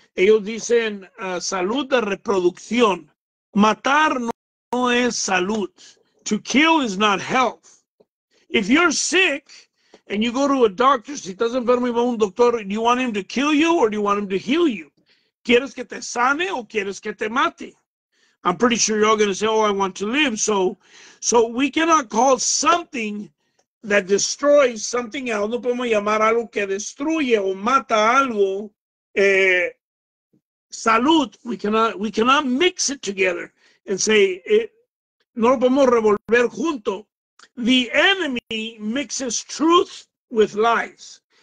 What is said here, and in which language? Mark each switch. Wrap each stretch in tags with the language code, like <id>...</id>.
<es>Ellos dicen salud de reproducción. Matar no es salud.</es> <en>To kill is not health. If you're sick and you go to a doctor,</en> <es>si estás enfermo y va a un doctor,</es> <en>do you want him to kill you or do you want him to heal you?</en> <es>¿Quieres que te sane o quieres que te mate?</es> <en>I'm pretty sure you're all going to say, oh, I want to live. So we cannot call something that destroys something else.</en> <es>No podemos llamar algo que destruye o mata algo. Salud.</es> <en>We cannot mix it together and say,</en> <es>no lo podemos revolver junto.</es> <en>The enemy mixes truth with lies.</en>